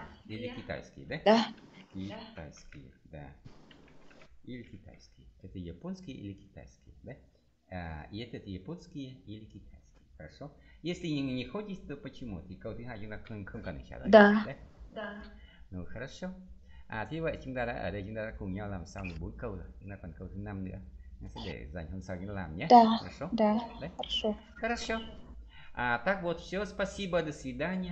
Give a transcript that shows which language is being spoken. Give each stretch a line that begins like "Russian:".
Russian: Или китайские, да? Да. Китайские, да. Или китайские. Это японские или китайские, да? И это японские или китайские, хорошо? Если не ходишь, то почему? И как ты говоришь на кунг-кунг-кунг-кунг-кунг-кунг? Да. Да. Ну, хорошо. А ты вот,
Vietnamese: chúng ta đã ở đây, chúng ta đã cùng nhau làm xong 4 câu rồi. Chúng ta còn câu thứ 5 nữa. Chúng ta sẽ để dành hôm sau chúng ta làm nhé.
Russian: Да. Хорошо? Да. Хорошо. Хорошо. А так вот, все, спасибо, до свидания.